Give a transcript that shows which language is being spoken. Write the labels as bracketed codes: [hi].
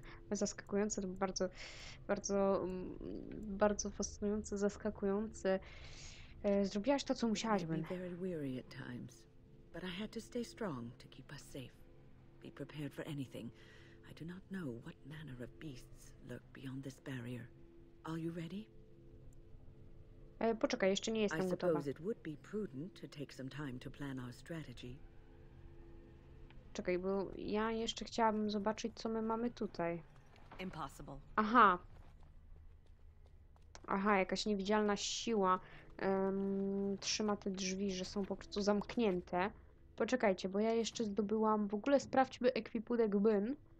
[pl] Zaskakujące, to bardzo, bardzo, bardzo fascynujące, zaskakujące. Zrobiłaś to, co musiałaś, Ben. Byłem bardzo [en] weary at times, but I had to stay strong to keep us safe. Be prepared for anything. I do not know what manner of beasts lurk beyond this barrier. Are you ready? [pl] Poczekaj, jeszcze nie jestem gotowa. [en] I suppose it would be prudent to take some time to plan our strategy. [pl] Czekaj, bo ja jeszcze chciałabym zobaczyć, co my mamy tutaj. [en] Impossible. Aha. [pl] Aha, jakaś niewidzialna siła trzyma te drzwi, że są po prostu zamknięte. Poczekajcie, bo ja jeszcze zdobyłam... W ogóle sprawdźmy ekwipunek Byn.